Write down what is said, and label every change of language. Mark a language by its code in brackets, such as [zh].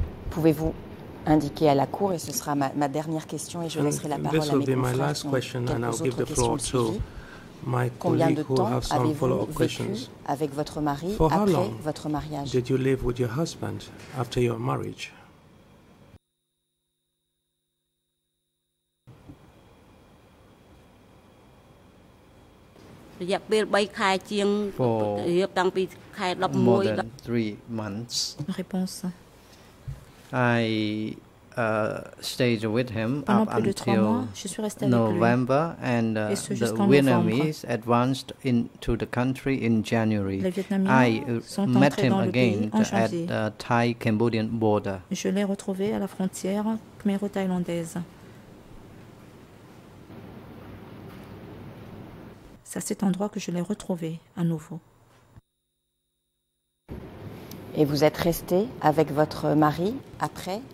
[fr] Pouvez-vous indiquer à la cour, et ce sera ma dernière question, et je laisserai la parole à mes confrères qui ont quelques autres questions suivies. Combien de temps avez-vous vécu avec votre mari après votre mariage? [en] Did you live with your husband after your marriage? For more than 3 months. [fr] Réponse. [en] I stayed with him up until November, and the Vietnamese advanced into the country in January. I met him again at the Thai-Cambodian border. [fr] Je l'ai retrouvé à la frontière khmero-thaïlandaise. C'est à cet endroit que je l'ai retrouvé à nouveau. Et vous êtes resté avec votre mari après